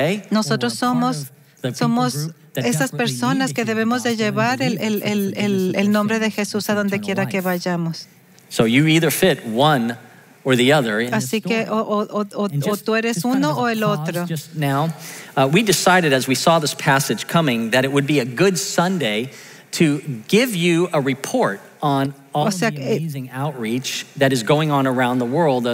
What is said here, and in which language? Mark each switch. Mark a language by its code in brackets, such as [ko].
[es] Nosotros somos esas personas que debemos de llevar el nombre de Jesús a donde quiera que vayamos. [en] So you either fit one or the other. [es] Así que o tú eres uno o el otro. [en] We decided as we saw this passage coming that it would be a good Sunday to give you a report on all the amazing outreach that is going on around the world.